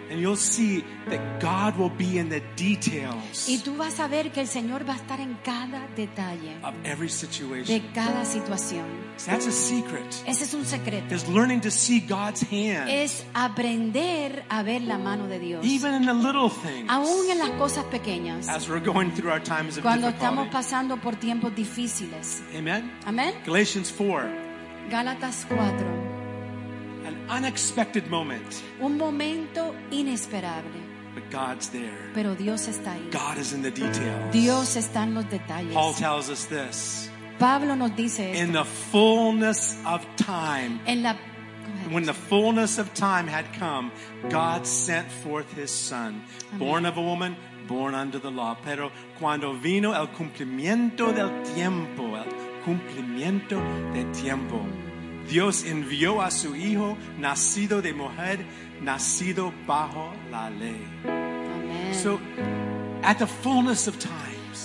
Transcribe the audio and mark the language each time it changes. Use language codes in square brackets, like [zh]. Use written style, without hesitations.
[en] And you'll see that God will be in the details. [es] Y tú vas a ver que el Señor va a estar en cada detalle. [en] Of every situation. [es] De cada situación. [en] So that's a secret. [es] Ese es un secreto. [en] Is learning to see God's hand. [es] Es aprender a ver la mano de Dios. [en] Even in the little things. [es] Aún en las cosas pequeñas. [en] As we're going through our times of [es] Cuando [en] difficulty. [es] Estamos pasando por tiempos difíciles. [en] Amen. [es] Amen. [en] Galatians 4. [es] Gálatas 4. [en] An unexpected moment. [es] Un momento inesperable. [en] But God's there. [es] Pero Dios está ahí. [en] God is in the details. [es] Dios está en los detalles. [en] Paul tells us this. [es] Pablo nos dice esto. [en] In the fullness of time. [es] En la, [en] when the fullness of time had come, God sent forth his son, Amen. Born of a woman, born under the law. [es] Pero cuando vino el cumplimiento del tiempo, el cumplimiento del tiempo. Dios envió a su hijo nacido de mujer, nacido bajo la ley. [en] Amen. So, at the fullness of times.